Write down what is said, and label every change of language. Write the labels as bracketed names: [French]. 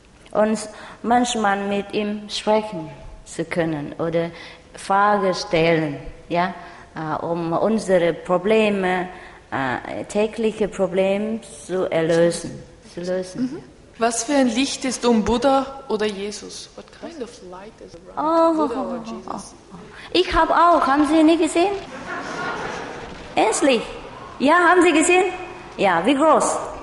[German] Und manchmal mit ihm sprechen zu können oder Fragen stellen, ja? Um unsere Probleme, tägliche Probleme zu lösen. Mhm. Was für ein Licht ist um Buddha oder Jesus? [English] What kind of light is around Buddha or Jesus? [German] Ich habe auch. Haben Sie nicht gesehen? Ernstlich? Ja, haben Sie gesehen? Ja, wie groß?